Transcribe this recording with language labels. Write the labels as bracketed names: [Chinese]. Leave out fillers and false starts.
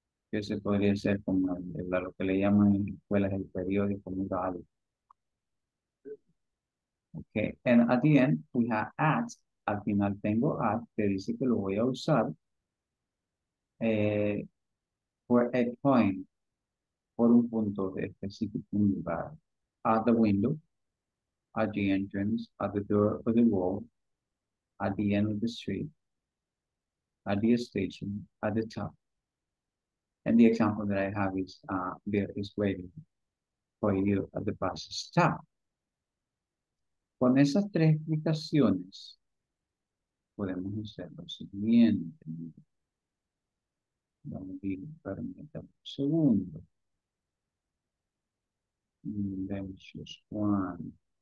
[Spanish] Que se podría hacer como lo que le llaman en escuelas el periódico mural. [English] Ok, and at the end we have at. [Spanish] Al final tengo at que dice que lo voy a usar. [English] For a point, [Spanish] por un punto de específico, un lugar, [English] at the window, at the entrance, at the door of the wall, at the end of the street, at the station, at the top. And the example that I have is there is waiting for you at the bus stop. [Spanish] Con esas tres explicaciones, podemos hacer lo siguiente. Vamos a ir, permítame un segundo. [English] Let's just one.